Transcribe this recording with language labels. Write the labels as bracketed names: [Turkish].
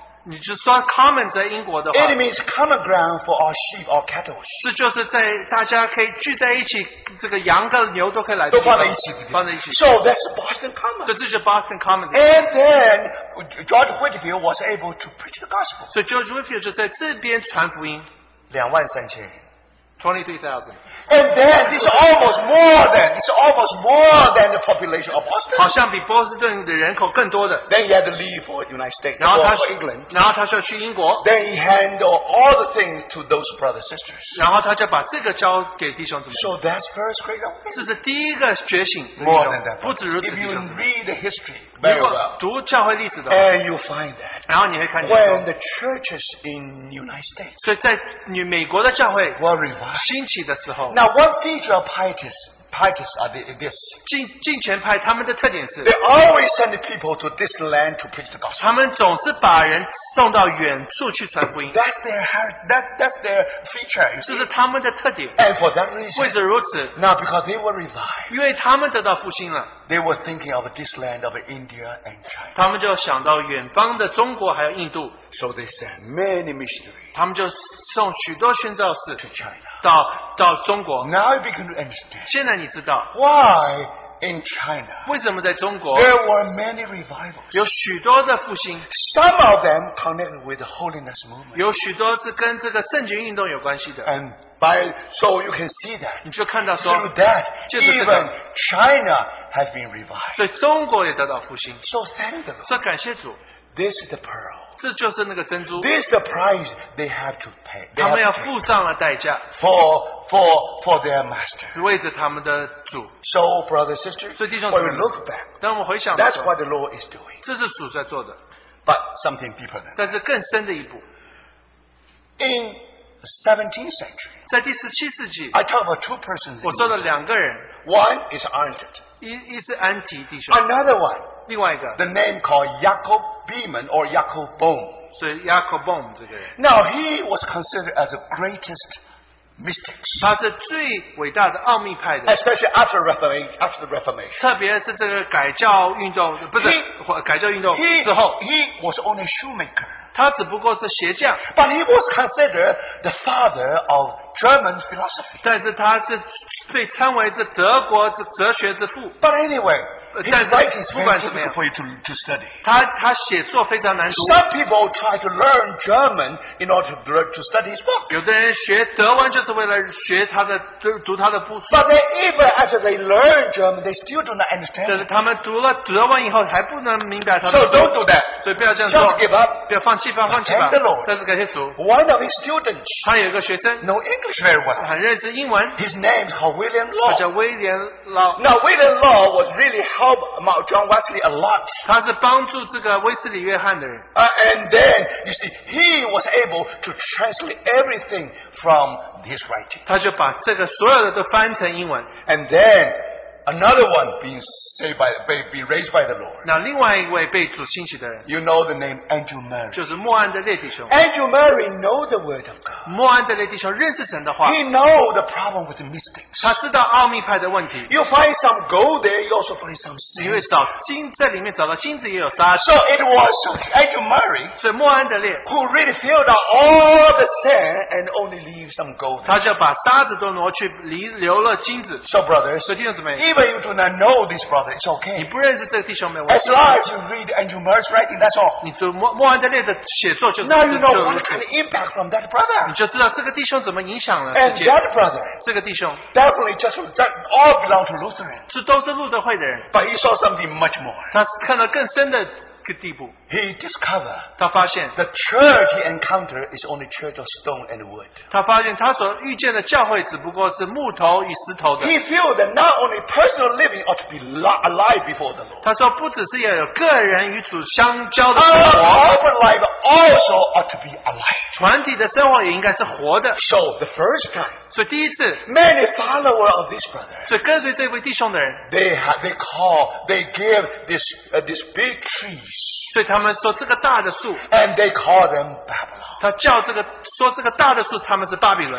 [English] It means common ground for our sheep or cattle. [Chinese] 这就是在大家可以聚在一起，这个羊跟牛都可以来，都放在一起。 [English] So that's Boston Common. [Chinese] 这就是Boston Common. [English] And then George Whitfield was able to preach the gospel. [Chinese] So George Whitfield 就在这边传福音。 23,000人。 [English] 23,000. And then it's almost more than the population of Boston. [Chinese] 好像比波士顿的人口更多的. [English] Then he had to leave for United States, for England. [Chinese] 然后他需要去英国. [English] Then he handed all the things to those brothers and sisters. [Chinese] 然后他就把这个交给弟兄姊妹. [English] So that's first great awakening. [Chinese] 这是第一个觉醒. [English] More than that. [Chinese] 不止如此, [English] if you read the history very well, and you find that, [Chinese] 然后你会看见, [English] when the churches in United States, [Chinese] 所以在美国的教会, [English] were revived. Now, what feature of pietists are this? [Chinese] 进前派他们的特点是, [English] they always send people to this land to preach the gospel. [Chinese] 他们总是把人送到远处去传福音. [English] That's their feature. [Chinese] 这是他们的特点. [English] And for that reason, [Chinese] 为此如此, [English] now because they were revived, [Chinese] 因为他们得到复兴了, [English] they were thinking of this land of India and China. [Chinese] 他们就想到远方的中国还有印度. [English] So they sent many missionaries. [Chinese] 他们就送许多宣教士 [English] to China. [Chinese] 到中国. [English] Now you begin to understand. [Chinese] 现在你知道, [English] why in China? [Chinese] 为什么在中国, [English] there were many revivals. [Chinese] 有许多的复兴. [English] Some of them connected with the holiness movement. [Chinese] 有许多是跟这个圣洁运动有关系的. [English] And by so you can see that. [Chinese] 你就看到说, [English] through that, even China has been revived. [Chinese] 对中国也得到复兴. [English] So thank the Lord. [Chinese] 所以感谢主. [English] This is the pearl. [Chinese] 这就是那个珍珠. [English] This is the price they have to pay. [Chinese] 他们要付上了代价. [English] For their master. [Chinese] 为着他们的主. [English] So, brothers and sisters, [Chinese] 所以弟兄姊妹, [English] when we look back, [Chinese] 当我们回想的时候, [English] that's what the Lord is doing. [Chinese] 这是主在做的. [English] But something deeper than that. [Chinese] 但是更深的一步. [English] In 17th century, [Chinese] 在第17世纪, [English] I talk about two persons. [Chinese] 我做了两个人. [English] One is Arndt. [Chinese] 一是安提弟兄. [English] Another one. [Chinese] 另外一个, [English] the name called Jacob Beeman or Jacob Bohm. [Chinese] 所以Jacob Bohm这个人, [English] now he was considered as the greatest mystic. [Chinese] 他是最伟大的奥秘派的, [English] especially after the Reformation. [Chinese] 特别是这个改教运动, 不是, [English] he [Chinese] 改教运动之后, [English] he was only a shoemaker. [Chinese] 他只不过是鞋匠, [English] but he was considered the father of German philosophy. [Chinese] 但是他是被称为是德国哲学之父. [English] But anyway, his writing is very difficult for you to study. Some people try to learn German in order to study his book. [Chinese] 有的人学德文就是为了学他的读他的部署. [English] But then even after they learn German, they still do not understand. [Chinese] 就是他们读了德文以后还不能明白他的书. [English] So don't do that. [Chinese] 所以不要这样说. [English] Just give up. [Chinese] 不要放弃放弃吧. [English] Thank the Lord. [Chinese] 但是感谢主. [English] One of his students, [Chinese] 他有一个学生, [English] know English very well. [Chinese] 很认识英文. [English] His name is called William Law. [Chinese] 他叫威廉劳. [English] Now William Law was really helped John Wesley a lot. [Chinese] 他是帮助这个威斯里约翰的人. [English] And then, you see, he was able to translate everything from his writing. [Chinese] 他就把这个所有的都翻成英文. [English] And then, Another one being saved by, be raised by the Lord. [Chinese] 那另外一位被主兴起的人, [English] you know the name Andrew Murray. [Chinese] 就是莫安德烈弟兄, [English] Andrew Murray know the word of God. [Chinese] 莫安德烈弟兄认识神的话, [English] he know the problem with the mystics. [Chinese] 他知道奥秘派的问题, [English] you find some gold there, you also find some sand. [Chinese] 你会找金子里面找到金子也有沙, [English] so it was Andrew Murray, [Chinese] 所以莫安德烈, [English] who really filled out all the sand and only leave some gold there. [Chinese] 他就把沙子都挪去, 留了金子, [English] so brothers, [Chinese] 所以弟兄姊妹, [English] even if you do not know this brother, it's okay. [Chinese] 你不认识这个弟兄们, [English] as long as you read Andrew Murray's writing, that's all. [Chinese] 你读莫安德烈的写作就, [English] now you know what kind of impact from that brother. [Chinese] 你就知道这个弟兄怎么影响了自己, [English] and that brother, [Chinese] 这个弟兄, [English] definitely just that all belong to Lutheran. [Chinese] 是都是路德会的人, [English] but he saw something much more. [Chinese] 他看到更深的, [English] he discovered [Chinese] 他发现, [English] the church he encountered is only church of stone and wood. [Chinese] 他发现他所遇见的教会只不过是木头与石头的, [English] he feels that not only personal living ought to be alive before the Lord. [Chinese] 他说不只是要有个人与主相交的生活, [English] our open life also ought to be alive. [Chinese] 团体的生活也应该是活的, [English] so the first time, [Chinese] 所以第一次, [English] many followers of this brother, [Chinese] 所以跟随这位弟兄的人, [English] they give this big tree, [Chinese] 所以他们说这个大的树, [English] and they call them Babylon. [Chinese] 他叫这个说这个大的树, 他们是巴比伦,